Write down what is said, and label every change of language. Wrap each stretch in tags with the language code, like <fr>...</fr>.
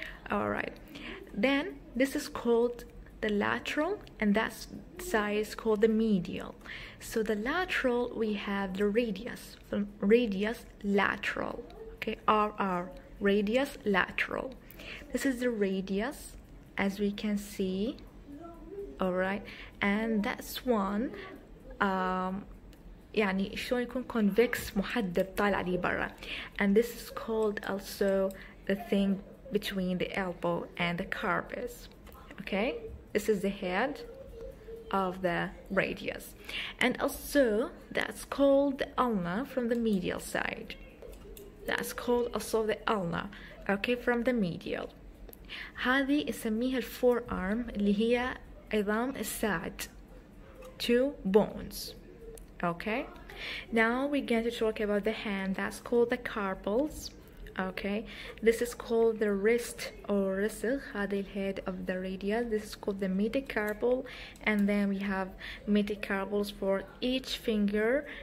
<en>All right, then this is called the lateral, and that side is called the medial. So the lateral, we have the radius, radius lateral, okay, RR. Radius lateral. This is the radius, as we can see. All right, and that's one.</en> <ar>يعني شلون يكون convex محدب طالع لي برا.</ar> <en>And this is called also the thing between the elbow and the carpus. Okay, this is the head of the radius, and also that's called the ulna from the medial side. That's called also the ulna, okay, from the medial.</en> <ar>هذه يسميها forearm اللي هي عظام الساعد.</ar> <en>Two bones, okay. Now we're going to talk about the hand. That's called the carpals, okay. This is called the wrist or wrist.</en> <ar>هذه</ar> <en>الhead of the radius. This is called the metacarpal, and then we have metacarpals for each finger.</en>